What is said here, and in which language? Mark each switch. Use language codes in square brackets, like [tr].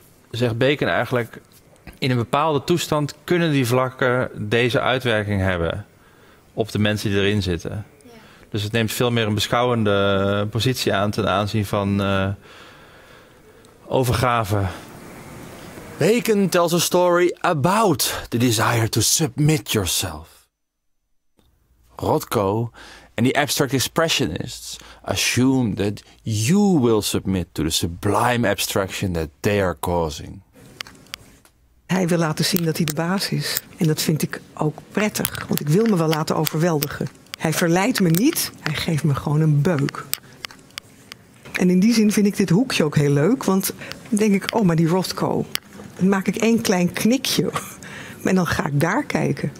[nl] zegt Bacon eigenlijk, in een bepaalde toestand kunnen die vlakken deze uitwerking hebben op de mensen die erin zitten. Ja. Dus het neemt veel meer een beschouwende positie aan ten aanzien van overgave. [en] Bacon tells a story about the desire to submit yourself. Rothko and the abstract expressionists assume that you will submit to the sublime abstraction that they are causing. [nl] Hij wil laten zien dat hij de baas is. En dat vind ik ook prettig, want ik wil me wel laten overweldigen. Hij verleidt me niet, hij geeft me gewoon een beuk. En in die zin vind ik dit hoekje ook heel leuk, want dan denk ik, oh, maar die Rothko. Dan maak ik één klein knikje en dan ga ik daar kijken.